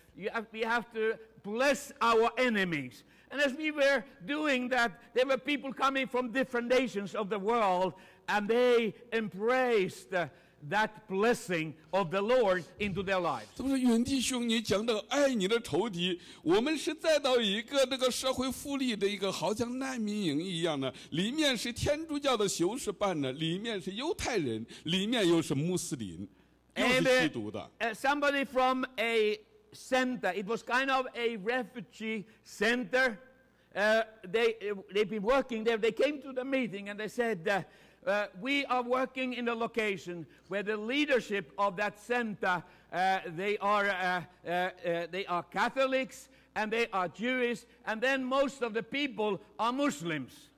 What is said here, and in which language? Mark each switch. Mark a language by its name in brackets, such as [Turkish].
[English] We have to bless our enemies. And as we were doing that, there were people coming from different nations of the world. And they embraced that blessing of the Lord into their lives. [Chinese] 他们说：“袁弟兄，你讲的爱你的仇敌，我们是再到一个那个社会福利的一个好像难民营一样的，里面是天主教的修士办的，里面是犹太人，里面又是穆斯林，都是基督的。” [English] Somebody from a center. It was kind of a refugee center. They've been working there. They came to the meeting and they said, we are working in a location where the leadership of that center, they are Catholics and they are Jewish, and then most of the people are Muslims.